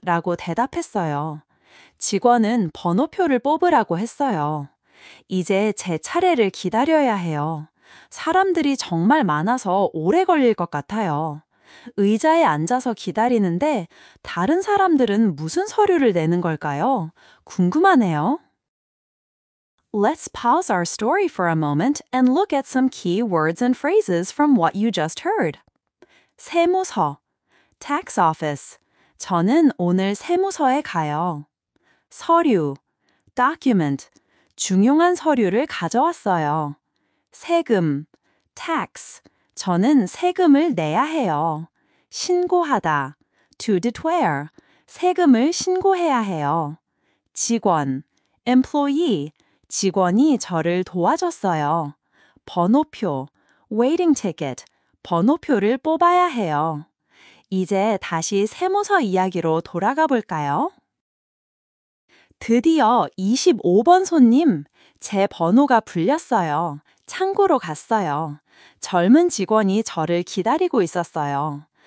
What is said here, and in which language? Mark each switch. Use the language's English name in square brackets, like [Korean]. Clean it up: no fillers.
[Korean] 라고 대답했어요. 직원은 번호표를 뽑으라고 했어요. 이제 제 차례를 기다려야 해요. 사람들이 정말 많아서 오래 걸릴 것 같아요. 의자에 앉아서 기다리는데 다른 사람들은 무슨 서류를 내는 걸까요? 궁금하네요. [English] Let's pause our story for a moment and look at some key words and phrases from what you just heard. 세무서, tax office. [Korean] 저는 오늘 세무서에 가요. 서류, document. 중요한 서류를 가져왔어요. 세금, tax. 저는 세금을 내야 해요. [English] 신고하다, to declare. [Korean] 세금을 신고해야 해요. 직원, employee. 직원이 저를 도와줬어요. [English] 번호표, waiting ticket. [Korean] 번호표를 뽑아야 해요. 이제 다시 세무서 이야기로 돌아가 볼까요? 드디어 25번 손님, 제 번호가 불렸어요. 창고로 갔어요. 젊은 직원이 저를 기다리고 있었어요.